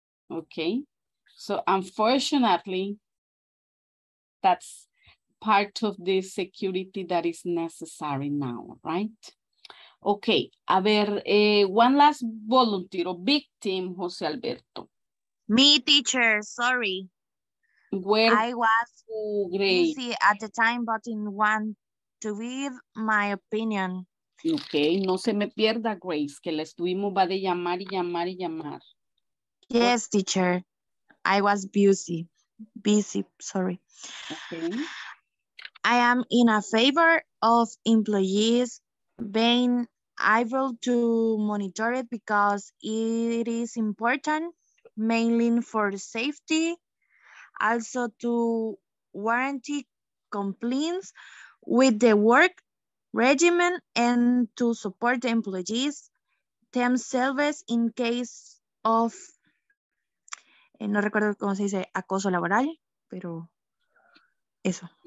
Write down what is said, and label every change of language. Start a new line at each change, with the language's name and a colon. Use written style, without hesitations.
English: Okay, so unfortunately, that's part of the security that is necessary now, right? Okay,
Spanish: a ver,
English: one last volunteer or victim, Jose Alberto. Me, teacher, sorry. Where? I was busy at the time, but in one to give my opinion.
Spanish: Okay, no se me pierda, Grace, que la estuvimos va de llamar y llamar y llamar.
English: Yes, teacher, I was busy, sorry. Okay. I am in a favor of employees being able to monitor it because it is important, mainly for safety, also to warranty complaints with the work regimen and to support the employees themselves in case of
Spanish: no recuerdo cómo se dice, acoso laboral, pero eso.